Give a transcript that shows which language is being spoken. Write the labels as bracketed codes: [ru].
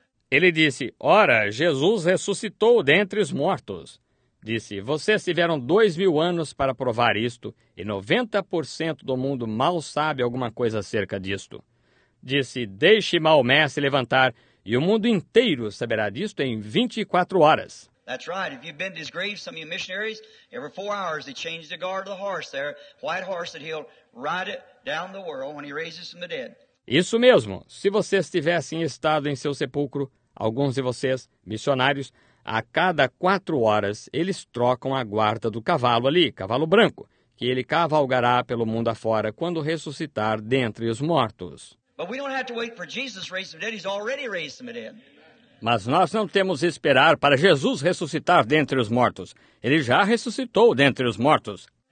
[pt] Ele disse, ora, Jesus ressuscitou dentre os mortos. Disse, vocês tiveram 2000 anos para provar isto, e 90% do mundo mal sabe alguma coisa acerca disto. Disse, deixe Maomé se levantar, e o mundo inteiro saberá disto em 24 horas. [en] That's right. If you've been to his grave, some of you missionaries, every 4 hours he changes the guard of the horse there, white horse that he'll ride it down the world when he raises from the dead. [pt] Isso mesmo. Se vocês tivessem estado em seu sepulcro, alguns de vocês, missionários, a cada 4 horas eles trocam a guarda do cavalo ali, cavalo branco, que ele cavalgará pelo mundo afora quando ressuscitar dentre os mortos. [en] But we don't have to wait for Jesus to raise from the dead. He's already raised from the dead. [pt] Mas nós não temos que esperar para Jesus ressuscitar dentre os mortos. Ele já ressuscitou dentre os mortos.